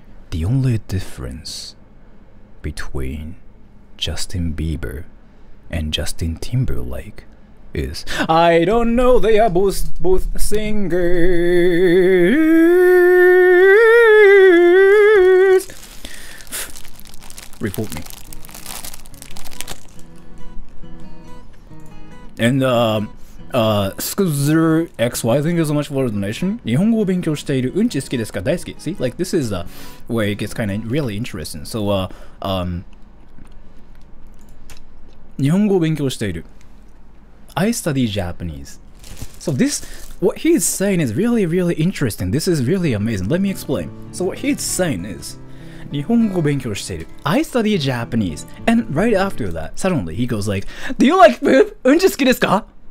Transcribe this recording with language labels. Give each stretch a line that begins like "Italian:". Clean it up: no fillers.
English: The only difference between Justin Bieber and Justin Timberlake is I don't know, they are both singers. Report me. And Scuzzer XY, thank you so much for the donation.
Japanese: 日本語を勉強しているうんち好きですか大好き。
English: See, like this is where it gets kind of really interesting.
Japanese: So, 日本語を勉強している。
English: I study Japanese. So this, what he's saying is really, really interesting. This is really amazing. Let me explain. So what he's saying is,
Japanese: 日本語を勉強している。
English: I study Japanese. And right after that, suddenly he goes like, Do you like poop?
Japanese: うんち好きですか?